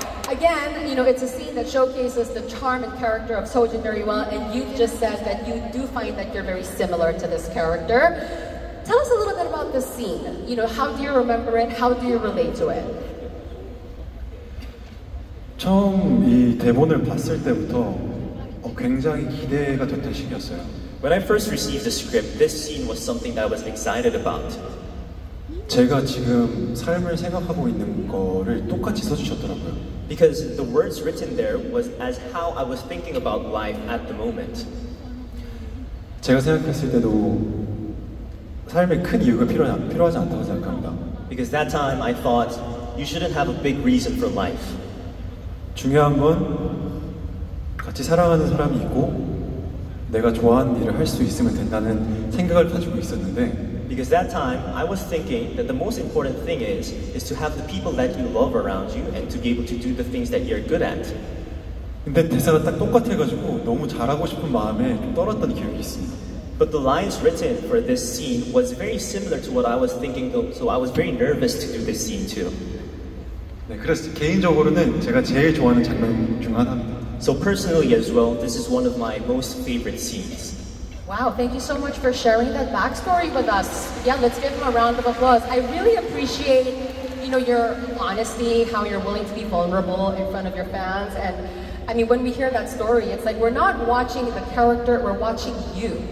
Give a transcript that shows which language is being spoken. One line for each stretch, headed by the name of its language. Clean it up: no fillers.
English: Again, you know, it's a scene that showcases the charm and character of Tojin very well, and you've just said that you do find that you're very similar to this character. Tell us a little bit about this scene. You know, how do you remember it? How do you relate to it?
Korean: 처음 이 대본을 봤을 때부터 굉장히 기대가 됐던 시기였어요.
English: When I first received the script, this scene was something that I was excited about.
Korean: 제가 지금 삶을 생각하고 있는 거를 똑같이 써주셨더라고요.
English: Because the words written there was as how I was thinking about life at the moment.
Korean: 제가 생각했을 때도 삶에 큰 이유가 필요하지 않다고 생각합니다.
English: Because that time I thought you shouldn't have a big reason for life.
Korean: 중요한 건 같이 사랑하는 사람이 있고 내가 좋아하는 일을 할 수 있으면 된다는 생각을 가지고 있었는데.
English: Because that time, I was thinking that the most important thing is to have the people that you love around you and to be able to do the things that you're good at.
Korean: 근데 대사가 딱 똑같아가지고 너무 잘하고 싶은 마음에 좀 떨었던 기억이 있습니다.
English: But the lines written for this scene was very similar to what I was thinking of, so I was very nervous to do this scene too.
Korean: 네, 그래서 개인적으로는 제가 제일 좋아하는 장면 중 하나입니다.
English: So personally as well, this is one of my most favorite scenes. Wow, thank you so much for sharing that backstory with us. Yeah, let's give him a round of applause. I really appreciate, you know, your honesty, how you're willing to be vulnerable in front of your fans, and I mean, when we hear that story, it's like we're not watching the character, we're watching you.